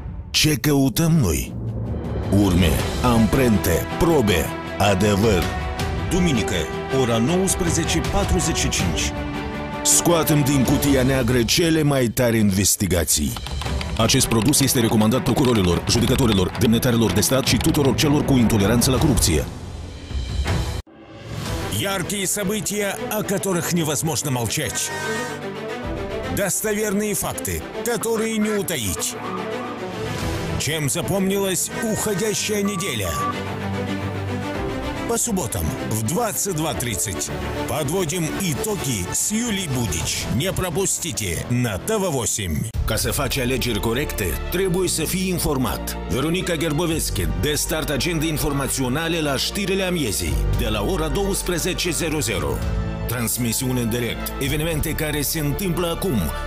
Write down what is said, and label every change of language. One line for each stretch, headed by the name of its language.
Romanian: Ce căutăm noi? Urme, amprente, probe, adevăr. Duminică, ora 19:45. Scoatem din cutia neagră cele mai tari investigații. Acest produs este recomandat procurorilor, judecătorilor, demnitarilor de stat și tuturor celor cu intoleranță la corupție.
Russian: Яркие события, о которых невозможно молчать. Достоверные факты, которые не утаить. Чем запомнилась уходящая неделя? По субботам в 22:30 подводим итоги с Юлией Будич. Не пропустите на ТВ8.
Romanian: Ca să faci alegeri corecte, trebuie să fii informat. Veronica Gerbovescu, de start agende informaționale la știrile amiezii, de la ora 12:00. Transmisiune în direct, evenimente care se întâmplă acum.